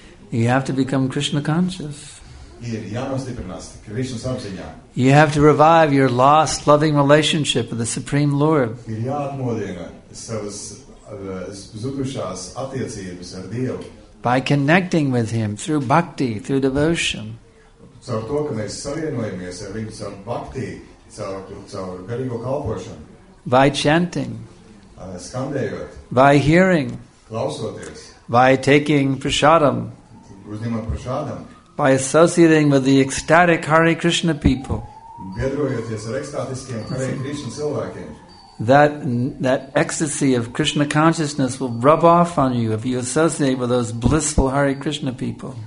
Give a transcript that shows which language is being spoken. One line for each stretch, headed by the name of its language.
English: You have to become Krishna conscious.
Latvian: ir jānostiprinās Krišnas apziņā.
English: You have to revive your lost loving relationship with the Supreme Lord.
Latvian: Ir jāatmodina savas zudušās attiecības ar Dievu.
English: By connecting with him through bhakti, through devotion.
Latvian: Caur to, ka mēs savienojamies ar viņu caur bhakti, caur garīgo kalpošanu.
English: By chanting.
Latvian: Skandējot.
English: By hearing.
Latvian: Klausoties.
English: By taking prasadam.
Latvian: Uzņemot prasadam.
English: By associating with the ecstatic Hare Krishna people.
Latvian: Biedrojoties ar ekstātiskiem Hare Krishna cilvēkiem.
English: That ecstasy of Krishna consciousness will rub off on you if you associate with those blissful Hare Krishna people.